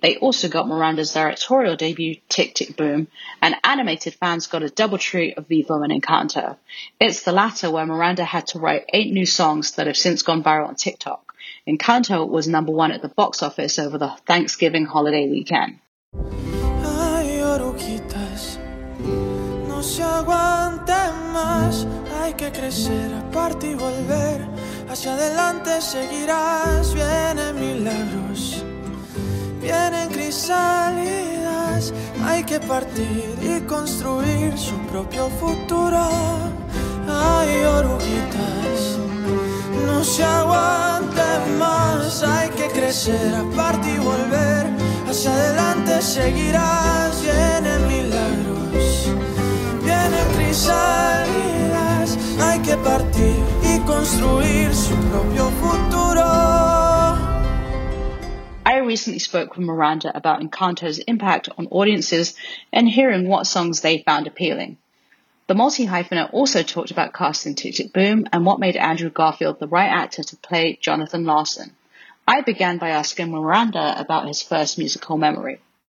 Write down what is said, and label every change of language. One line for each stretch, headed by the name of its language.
English: They also got Miranda's directorial debut, Tick, Tick, Boom, and animated fans got a double treat of Vivo and Encanto. It's the latter where Miranda had to write 8 new songs that have since gone viral on TikTok. Encanto was number 1 at the box office over the Thanksgiving holiday weekend.
Spanish: Ay, oruguitas, no se aguanten más, hay que crecer aparte y volver. Hacia adelante seguirás, vienen milagros, vienen crisálidas. Hay que partir y construir su propio futuro. Ay, oruguitas, no se aguanten más. Hay que crecer, aparte y volver. Hacia adelante seguirás, vienen milagros, vienen crisálidas. Hay que partir y construir su propio futuro.
English: I recently spoke with Miranda about Encanto's impact on audiences and hearing what songs they found appealing. The multi-hyphenate also talked about casting Tick, Tick, Boom and what made Andrew Garfield the right actor to play Jonathan Larson. I began by asking Miranda about his first musical memory.